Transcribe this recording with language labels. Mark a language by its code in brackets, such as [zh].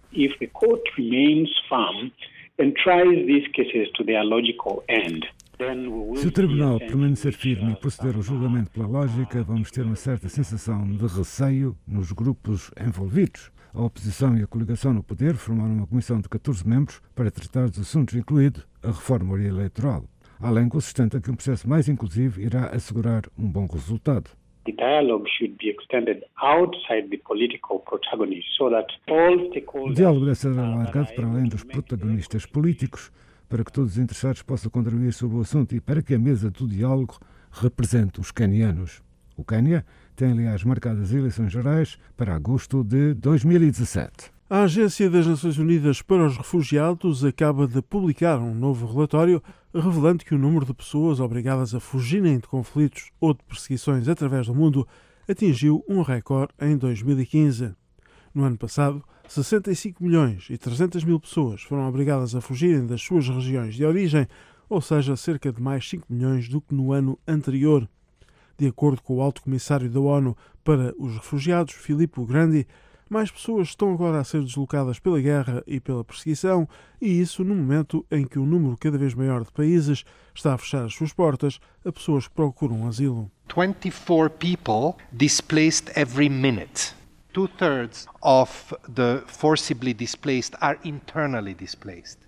[en] If the court remains firm and tries these cases to their logical end, then we will. [pt] Se o tribunal permanecer firme e proceder ao julgamento pela lógica, vamos ter uma certa sensação de receio nos grupos envolvidos. A oposição e a coligação no poder formaram uma comissão de 14 membros para tratar dos assuntos, incluído a reforma eleitoral. Além que sustenta que um processo mais inclusivo irá assegurar um bom resultado. [en] The dialogue should be extended outside the political protagonists so that all stakeholders. [pt] O diálogo deve ser alargado para além dos protagonistas políticos, para que todos os interessados possam contribuir sobre o assunto e para que a mesa do diálogo represente os quenianos. O Quênia tem, aliás, marcadas eleições gerais para agosto de 2017. A Agência das Nações Unidas para os Refugiados acaba de publicar um novo relatório revelando que o número de pessoas obrigadas a fugirem de conflitos ou de perseguições através do mundo atingiu um recorde em 2015. No ano passado, 65 milhões e 300 mil pessoas foram obrigadas a fugirem das suas regiões de origem, ou seja, cerca de mais 5 milhões do que no ano anterior. De acordo com o Alto Comissário da ONU para os Refugiados, Filippo Grandi, mais pessoas estão agora a ser deslocadas pela guerra e pela perseguição, e isso no momento em que um número cada vez maior de países está a fechar as suas portas a pessoas que procuram asilo. [en] 24 people displaced every minute. Two-thirds of the forcibly displaced are internally displaced.